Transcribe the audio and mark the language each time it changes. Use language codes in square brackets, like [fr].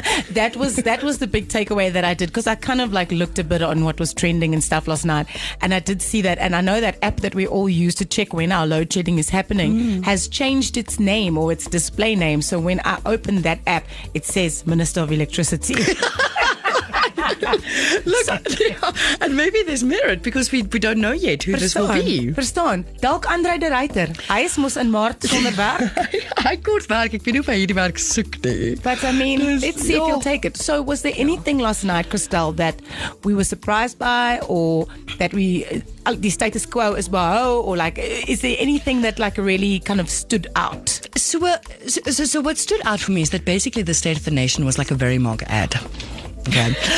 [en] That was the big takeaway that I did, because I kind of like looked a bit on what was trending and stuff last night, and I did see that, and I know that app that we all use to check when our load shedding is happening has changed its name or its display name. So when I open that app, it says Minister of Electricity. Look, yeah, and maybe there's merit because we don't know yet who [af] verstaan, [en] this will be. [af] Verstaan, dalk Andre de Ruyter, hy is mos in Maart sonder werk. Hy kort werk, ek weet nie of hy hierdie werk soek nie. [en] But I mean, let's see if you'll take it. So was there anything last night, Christel, that we were surprised by or that we... the status quo [af] is behou, [en] or like, is there anything that like really kind of stood out? So what stood out for me is that basically the State of the Nation was like a very mock ad. Okay.